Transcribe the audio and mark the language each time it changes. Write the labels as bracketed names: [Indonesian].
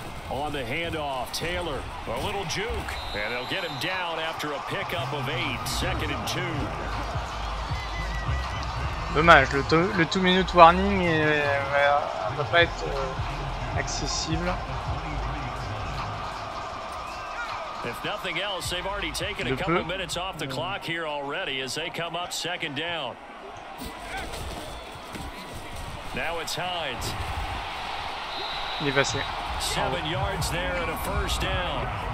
[English] On the handoff, Taylor, a little juke, and they'll get him down after a pickup of 8, second and 2. [French] Dommage, le 2 minute warning ne va pas être accessible. [English] If nothing else, they've already taken a couple minutes off the clock here already as they come up second down. Now it's Hines. [French] Il est passé. [English] 7 yards there and a first down.